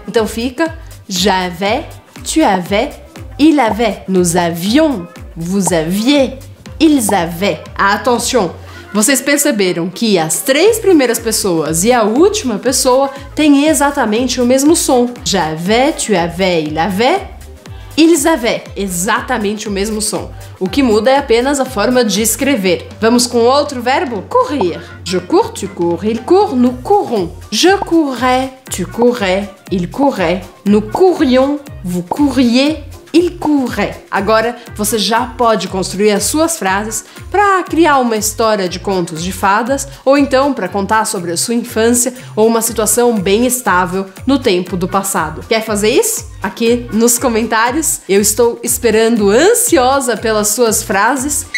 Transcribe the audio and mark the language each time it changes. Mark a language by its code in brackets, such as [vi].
[pt] Então fica [fr] j'avais, tu avais, il avait, nous avions, vous aviez, ils avaient. [pt] Attention, vocês perceberam que as três primeiras pessoas e a última pessoa têm exatamente o mesmo som. [fr] J'avais, tu avais, il avait, ils avaient, [pt] exatamente o mesmo som. O que muda é apenas a forma de escrever. Vamos com outro verbo? Courir. [fr] Je cours, tu cours, il court, nous courons. Je courais, tu courais, il courait. Nous courions, vous courriez, il courait. [pt] Agora você já pode construir as suas frases para criar uma história de contos de fadas ou então para contar sobre a sua infância ou uma situação bem estável no tempo do passado. Quer fazer isso? Aqui nos comentários. Eu estou esperando ansiosa pelas suas frases.